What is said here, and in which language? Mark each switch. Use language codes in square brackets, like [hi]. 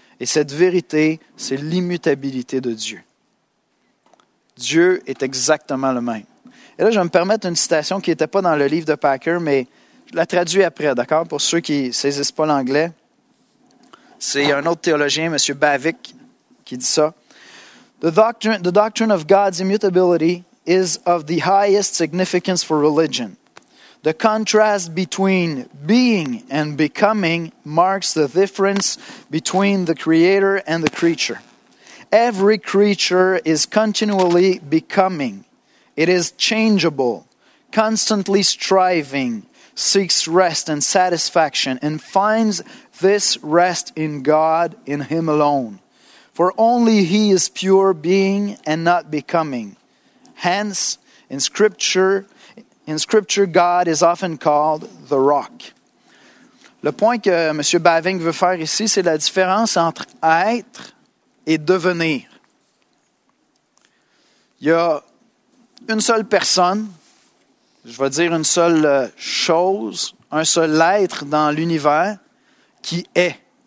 [fr] Et cette vérité, c'est l'immutabilité de Dieu. Dieu est exactement le même. Et là, je vais me permettre une citation qui n'était pas dans le livre de Packer, mais je la traduis après, d'accord? Pour ceux qui ne saisissent pas l'anglais. C'est un autre théologien, M. Bavick, qui dit ça. [en] The doctrine of God's immutability is of the highest significance for religion. The contrast between being and becoming marks the difference between the creator and the creature. Every creature is continually becoming. It is changeable, constantly striving, seeks rest and satisfaction, and finds this rest in God, in Him alone. For only He is pure being and not becoming. Hence, in Scripture, God is often called the rock. [fr] Le point que M. Bavink veut faire ici, c'est la différence entre être et devenir. Il y a une seule personne, je vais dire une seule chose, un seul être dans l'univers qui est.